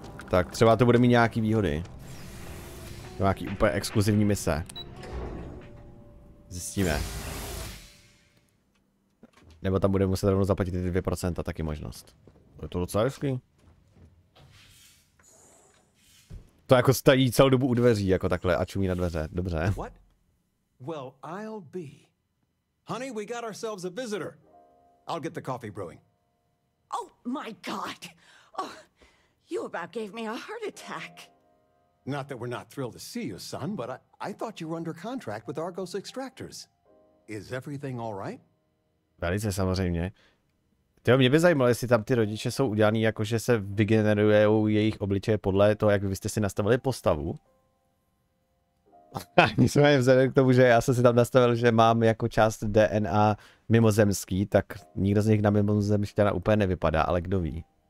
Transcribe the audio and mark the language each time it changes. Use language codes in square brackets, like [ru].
[cs] Tak třeba to bude mít nějaký výhody. Nějaký úplně exkluzivní mise. Zjistíme. Nebo tam bude muset rovnou zaplatit ty 2%, taky možnost. Je to docela hezký. To jako stojí celou dobu u dveří, jako takhle, a čumí na dveře. Dobře. [en] What? Well, I'll be. Honey, we got ourselves a visitor. I'll get the coffee brewing. Oh my god. Oh, you about gave me a heart attack. Not that we're not thrilled to see you, son, but I thought you were under contract with Argos Extractors. Is everything all right? [cs] Velice samozřejmě. Jo, mě by zajímalo, jestli tam ty rodiče jsou udělaný jako, že se vygenerujou jejich obličeje podle toho, jak byste si nastavili postavu. Nicméně vzhledem k tomu, že já jsem si tam nastavil, že mám jako část DNA mimozemský, tak nikdo z nich na mimozemštěna úplně nevypadá, ale kdo ví?